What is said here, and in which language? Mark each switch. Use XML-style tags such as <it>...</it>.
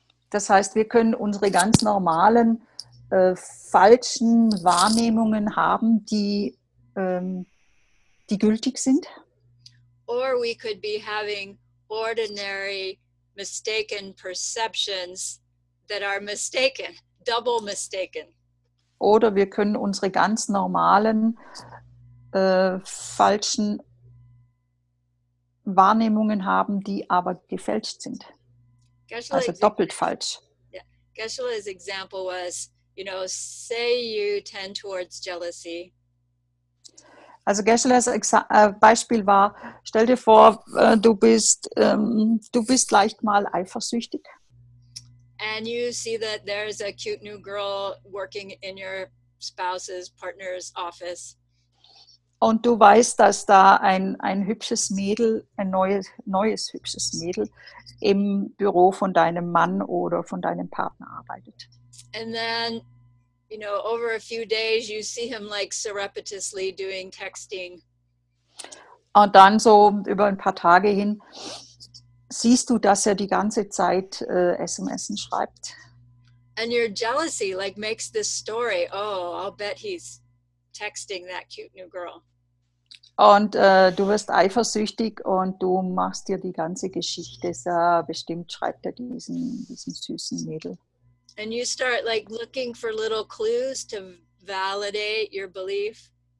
<de>Das heißt, wir können unsere ganz normalen falschen Wahrnehmungen haben, die gültig sind.</de> <en>Or we could be having ordinary mistaken perceptions that are mistaken, double mistaken.</en> <de>Oder wir können unsere ganz normalen falschen Wahrnehmungen haben, die aber gefälscht sind. Also doppelt falsch.</de> <en>Yeah. Geshe-la's example was, you know, say you tend towards jealousy.</en> <de>Also Geschlers Beispiel war, stell dir vor, du bist leicht mal eifersüchtig.</de> <en>And you see that there's a cute new girl working in your spouse's partner's office.</en> <de>Und du weißt, dass da ein hübsches Mädel, ein neues hübsches Mädel im Büro von deinem Mann oder von deinem Partner arbeitet.</de> <en>And then, you know, over a few days you see him like surreptitiously doing texting.</en> <de>Und dann so über ein paar Tage hin siehst du, dass er die ganze Zeit SMS schreibt.</de> <en>And your jealousy like makes this story, oh, I'll bet he's texting that cute new girl.</en> <de>Und du wirst eifersüchtig und du machst dir die ganze Geschichte, so, bestimmt schreibt er diesen süßen Mädel.</de> <en>And you start like looking for little clues to validate your belief.</en>